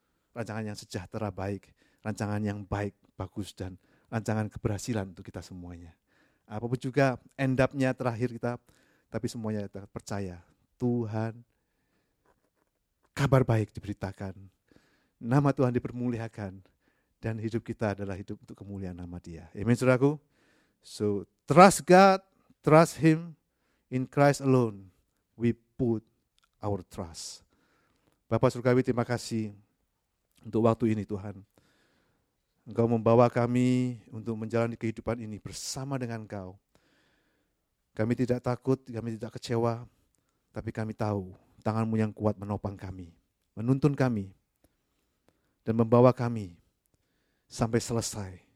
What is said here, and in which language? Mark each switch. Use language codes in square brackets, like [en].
[id] Rancangan yang sejahtera baik, rancangan yang baik, bagus, dan rancangan keberhasilan untuk kita semuanya. Apapun juga [en] end up- [id] nya terakhir kita, tapi semuanya kita percaya. Tuhan, kabar baik diberitakan, nama Tuhan dipermuliakan, dan hidup kita adalah hidup untuk kemuliaan nama Dia. Amin, saudaraku. [en] So, trust God, trust Him, in Christ alone, we put our trust. [id] Bapa Surgawi, terima kasih untuk waktu ini Tuhan. Engkau membawa kami untuk menjalani kehidupan ini bersama dengan Engkau. Kami tidak takut, kami tidak kecewa, tapi kami tahu tangan-Mu yang kuat menopang kami, menuntun kami, dan membawa kami sampai selesai.